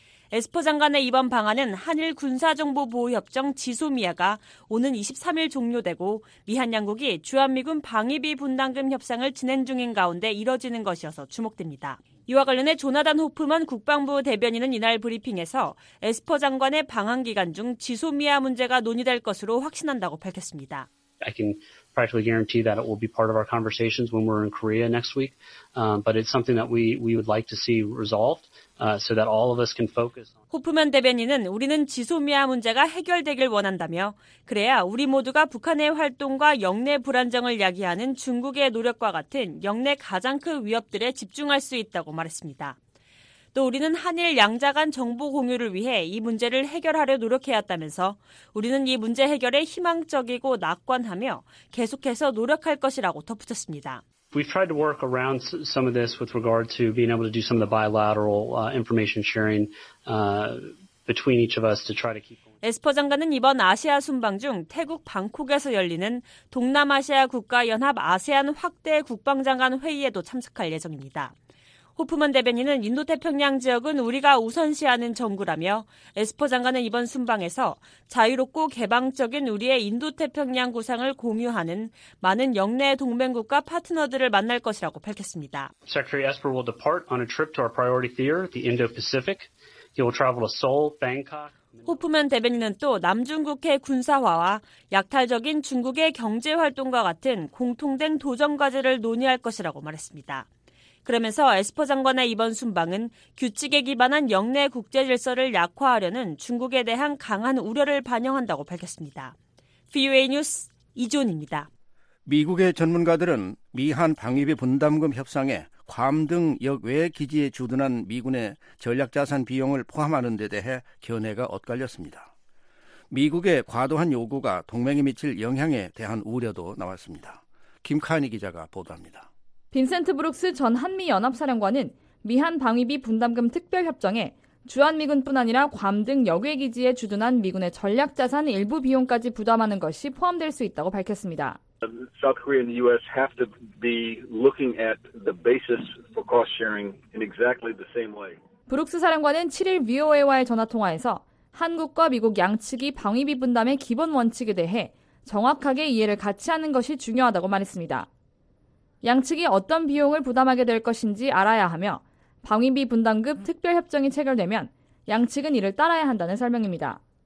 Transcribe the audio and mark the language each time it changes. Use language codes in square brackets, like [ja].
[ko] 에스퍼 장관의 이번 방한은 한일 군사정보보호협정 지소미아가 오는 23일 종료되고 미한 양국이 주한미군 방위비 분담금 협상을 진행 중인 가운데 이뤄지는 것이어서 주목됩니다. 이와 관련해 조나단 호프먼 국방부 대변인은 이날 브리핑에서 에스퍼 장관의 방한 기간 중 지소미아 문제가 논의될 것으로 확신한다고 밝혔습니다. [en] I can practically guarantee that it will be part of our conversations when we're in Korea next week. But it's something that we would like to see resolved so that all of us can focus on. [ko] 호프먼 대변인은 우리는 지소미아 문제가 해결되길 원한다며 그래야 우리 모두가 북한의 활동과 영내 불안정을 야기하는 중국의 노력과 같은 영내 가장 큰 위협들에 집중할 수 있다고 말했습니다. 또 우리는 한일 양자 간 정보 공유를 위해 이 문제를 해결하려 노력해왔다면서 우리는 이 문제 해결에 희망적이고 낙관하며 계속해서 노력할 것이라고 덧붙였습니다. [en] We've tried to work around some of this with regard to being able to do some of the bilateral information sharing between each of us to try to keep. [ko] 에스퍼 장관은 이번 아시아 순방 중 태국 방콕에서 열리는 동남아시아 국가연합 아세안 확대 국방장관 회의에도 참석할 예정입니다. 호프먼 대변인은 인도태평양 지역은 우리가 우선시하는 정구라며 에스퍼 장관은 이번 순방에서 자유롭고 개방적인 우리의 인도태평양 구상을 공유하는 많은 역내 동맹국과 파트너들을 만날 것이라고 밝혔습니다. [en] Secretary Esper will depart on a trip to our priority theater, the Indo-Pacific. He will travel to Seoul, Bangkok. [ko] 호프먼 대변인은 또 남중국해 군사화와 약탈적인 중국의 경제활동과 같은 공통된 도전과제를 논의할 것이라고 말했습니다. 그러면서 에스퍼 장관의 이번 순방은 규칙에 기반한 영내 국제질서를 약화하려는 중국에 대한 강한 우려를 반영한다고 밝혔습니다. VOA 뉴스 이지훈입니다. 미국의 전문가들은 미한 방위비 분담금 협상에 괌 등 역외 기지에 주둔한 미군의 전략자산 비용을 포함하는 데 대해 견해가 엇갈렸습니다. 미국의 과도한 요구가 동맹에 미칠 영향에 대한 우려도 나왔습니다. 김카니 기자가 보도합니다. 빈센트 브룩스 전 한미연합사령관은 미한 방위비 분담금 특별협정에 주한미군뿐 아니라 괌 등 역외기지에 주둔한 미군의 전략자산 일부 비용까지 부담하는 것이 포함될 수 있다고 밝혔습니다. [en] South Korea and the U.S. have to be looking at the basis for cost sharing in exactly the same way. [ko] 브룩스 사령관은 7일 VOA와의 전화통화에서 한국과 미국 양측이 방위비 분담의 기본 원칙에 대해 정확하게 이해를 같이 하는 것이 중요하다고 말했습니다. 양측이 어떤 비용을 부담하게 될 것인지 알아야 하며 방위비 분담금 특별협정이 체결되면 양측은 이를 따라야 한다는 설명입니다.